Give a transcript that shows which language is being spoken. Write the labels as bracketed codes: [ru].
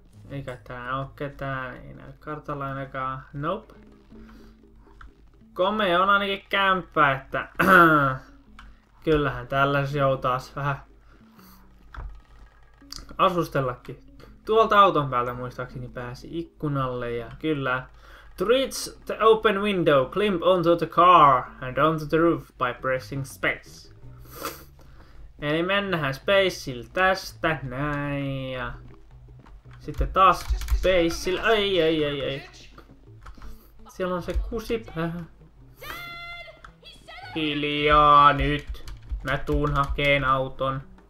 [fi] Eikä tää oo ketään, ei näy kartalla ainakaan. [en] Nope. [fi] Komea on ainakin kämppä, että kyllähän tälläs joutais vähän asustellakin. Tuolta auton päältä muistaakseni pääsi ikkunalle ja kyllä. [en] Reach the open window, climb onto the car and onto the roof by pressing space. [fi] Eli mennähän spacelle tästä, näin, ja sitten taas spacelle, ei. Siellä on se kusipää. Hiljaa nyt, mä tuun hakeen auton.